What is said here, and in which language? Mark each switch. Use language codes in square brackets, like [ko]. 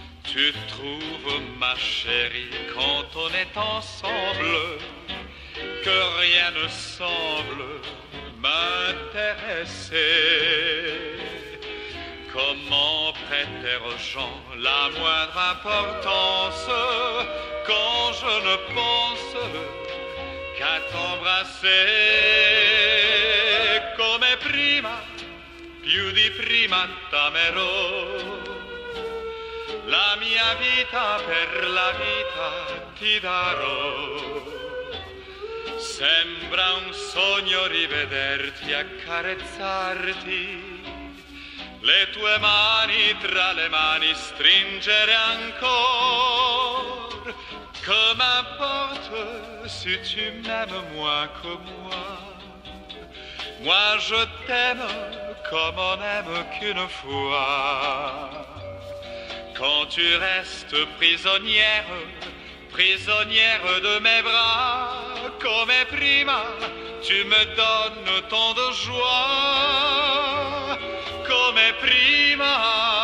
[fr] Tu trouves, ma chérie, quand on est ensemble, que rien ne semble m'intéresser. Comment prêter aux gens la moindre importance quand je ne pense qu'à t'embrasser? [it] Come prima, più di prima t'amerò. La mia vita per la vita ti darò. Sembra un sogno rivederti, accarezzarti, le tue mani tra le mani stringere ancora. [fr] Che m'importe si tu m'aimes moins que moi? Moi je t'aime comme on aime qu'une fois. Quand tu restes prisonnière, prisonnière de mes bras, comme prima, tu me donnes tant de joie, comme prima.